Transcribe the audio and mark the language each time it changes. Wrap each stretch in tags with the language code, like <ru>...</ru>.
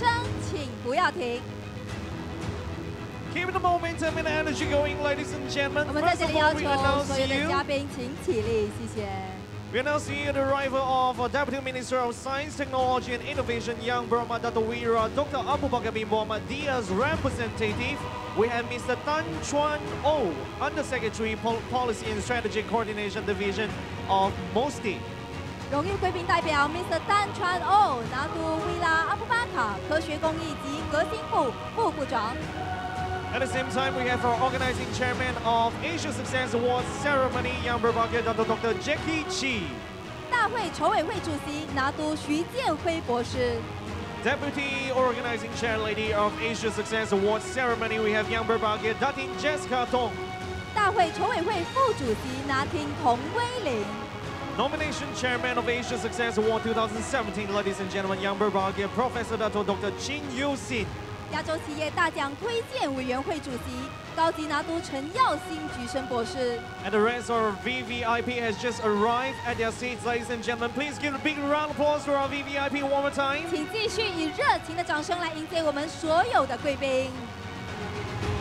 <zh>各位来宾，请起立，掌声欢迎今晚的开幕嘉宾。请起立，掌声，请不要停。</zh> <en>Keep the momentum and energy going, ladies and gentlemen. First of all, we announce to you.</en> <zh>我们在这里要求所有的嘉宾，请起立，谢谢。</zh> <en>We are now seeing the arrival of Deputy Minister of Science, Technology and Innovation, Yang Burma Dattawira, Dr. Abubakar bin Muhammad Diaz representative. We have Mr. Tan Chuan Oh, Undersecretary Policy and Strategic Coordination Division of MOSTI.</en> <zh>荣誉贵宾代表 Mr. Tan Chuan Oh, Dattawira Abubakar, 科学工艺及革新部副部长。</zh> <en>At the same time, we have our organizing chairman of Asia Success Awards Ceremony, Yang Berbakir, Dr. Jackie Chi.</en> <zh>大会筹委会主席拿督徐建辉博士.</zh> <en>Deputy organizing chair lady of Asia Success Awards Ceremony, we have Yang Berbakir, Datin Jessica Tong.</en> <zh>大会筹委会副主席拿听童威玲.</zh> <en>Nomination chairman of Asia Success Awards 2017, ladies and gentlemen, Yang Berbakir, Professor Dr. Qin Yuxin.</en> <zh>亚洲企业大奖推荐委员会主席高级拿督陈耀兴菊生博士</zh> <en>And the rest of our VVIP has just arrived at their seats, ladies and gentlemen. Please give a big round of applause for our VVIP one more time.</en> <zh>请继续以热情的掌声来迎接我们所有的贵宾。</zh>